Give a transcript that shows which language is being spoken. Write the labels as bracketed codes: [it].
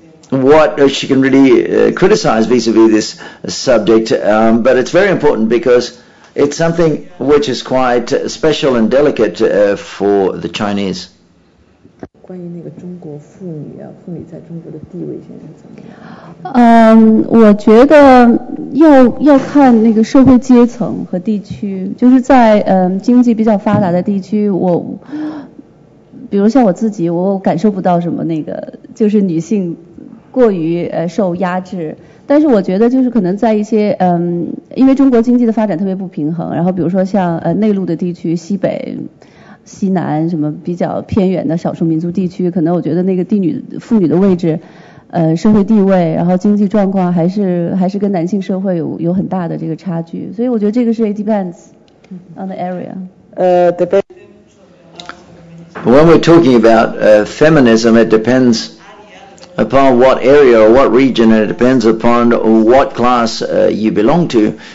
[en] what she can really criticize vis-a-vis this subject, but it's very important because it's something which is quite special and delicate for the Chinese. [zh] 关于那个中国妇女啊，妇女在中国的地位现在怎么样？我觉得要看那个社会阶层和地区，就是在经济比较发达的地区，我。比如像我自己，我感受不到什么那个，就是女性过于受压制。但是我觉得就是可能在一些因为中国经济的发展特别不平衡，然后比如说像内陆的地区，西北，西南什么比较偏远的少数民族地区，可能我觉得那个地女妇女的位置，社会地位，然后经济状况还是跟男性社会有很大的这个差距，所以我觉得这个是 [en] it depends on the area. When we're talking about feminism, it depends upon what area or what region, and it depends upon what class you belong to.